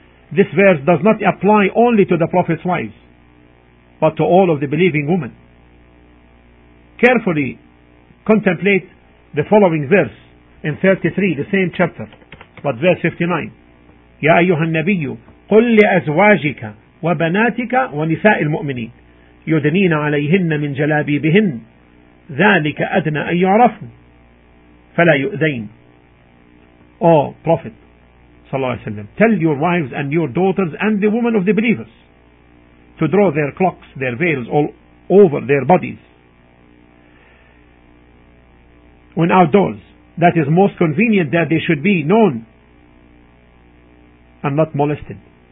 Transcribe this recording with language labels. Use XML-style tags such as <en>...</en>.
<en>This verse does not apply only to the Prophet's wives, but to all of the believing women. Carefully contemplate the following verse in 33, the same chapter, but verse 59.</en> <ar>يَا أَيُّهَا النَّبِيُّ قُلْ لِأَزْوَاجِكَ وبناتك ونساء المؤمنين يدنين عليهن من جلابيبهن ذلك أدنى أن يعرفن فلا يؤذين.</ar> <en>O Prophet</en> <ar>صلى الله عليه وسلم,</ar> <en>tell your wives and your daughters and the women of the believers to draw their cloaks, their veils all over their bodies when outdoors. That is most convenient, that they should be known and not molested.</en>